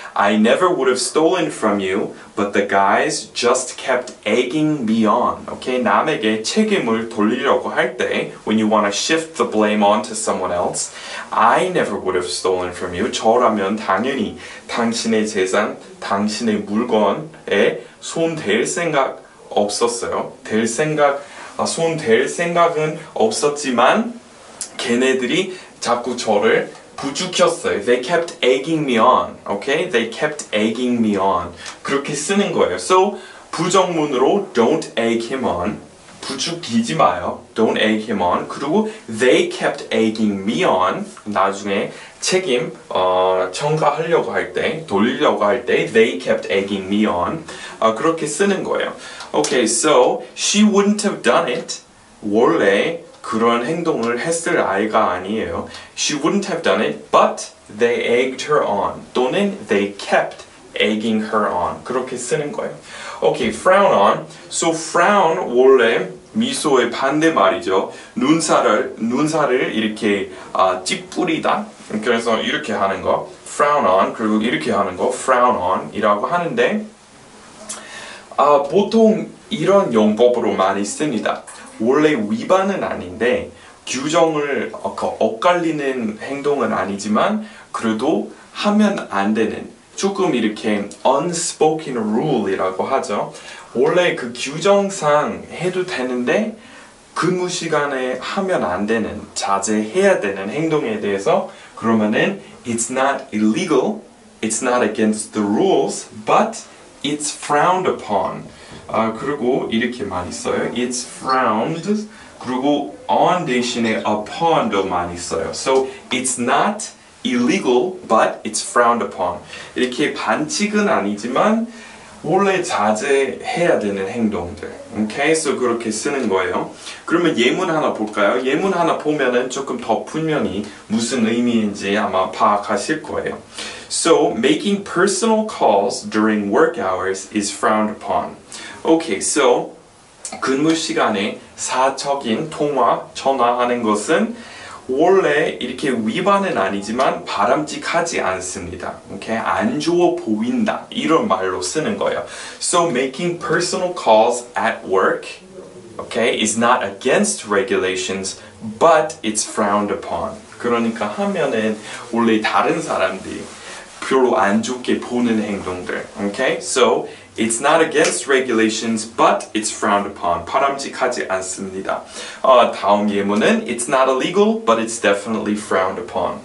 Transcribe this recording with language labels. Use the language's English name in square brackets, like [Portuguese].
[English] I never would have stolen from you, but the guys just kept egging me on. Okay? [Korean] 남에게 책임을 돌리려고 할 때 [English] when you want to shift the blame onto someone else, I never would have stolen from you. [Korean] 저라면 당연히 당신의 재산, 당신의 물건에 손 댈 생각 없었어요. 손 댈 생각은 없었지만 걔네들이 자꾸 저를 부추겼어요. [English] They kept egging me on. Okay? They kept egging me on. [Korean] 그렇게 쓰는 거예요. [English] So, [Korean] 부정문으로 [English] don't egg him on. [Korean] 부추기지 마요. [English] Don't egg him on. [Korean] 그리고 [English] they kept egging me on. [Korean] 나중에 책임 청가하려고 할 때, 돌리려고 할 때 [English] they kept egging me on. [Korean] 그렇게 쓰는 거예요. [English] Okay, so she wouldn't have done it. [Korean] 원래 그런 행동을 했을 아이가 아니에요. [English] She wouldn't have done it, but they egged her on. [Korean] 또는 [English] they kept egging her on. [Korean] 그렇게 쓰는 거예요. [English] Okay, frown on. So frown [Korean] 원래 미소의 반대말이죠. 눈살을 이렇게 찌푸리다. 그래서 이렇게 하는 거. Frown on. 그리고 이렇게 하는 거. Frown on. 이라고 하는데 보통 이런 용법으로 많이 씁니다. 원래 위반은 아닌데 규정을 엇갈리는 행동은 아니지만 그래도 하면 안 되는 조금 이렇게 unspoken rule이라고 하죠. 원래 그 규정상 해도 되는데 근무 시간에 하면 안 되는 자제해야 되는 행동에 대해서 그러면은 [English] it's not illegal, it's not against the rules, but it's frowned upon. [Korean] 그리고 이렇게 많이 써요. [English] It's frowned. [Korean] 그리고 on 대신에 upon도 많이 써요. [English] So it's not illegal, but it's frowned upon. [Korean] 이렇게 반칙은 아니지만 원래 자제해야 되는 행동들. [English] Okay, so [Korean] 그렇게 쓰는 거예요. 그러면 예문 하나 볼까요? 예문 하나 보면은 조금 더 분명히 무슨 의미인지 아마 파악하실 거예요. [English] So making personal calls during work hours is frowned upon. Okay, so [Korean] 근무 시간에 사적인 통화, 전화하는 것은 원래 이렇게 위반은 아니지만 바람직하지 않습니다. Okay, 안 좋아 보인다 이런 말로 쓰는 거예요. [English] So making personal calls at work, okay, is not against regulations, but it's frowned upon. [Korean] 그러니까 하면은 원래 다른 사람들이 별로 안 좋게 보는 행동들. [English] Okay, so it's not against regulations, but it's frowned upon. [Korean] 바람직하지 않습니다. 다음 예문은 [English] it's not illegal, but it's definitely frowned upon.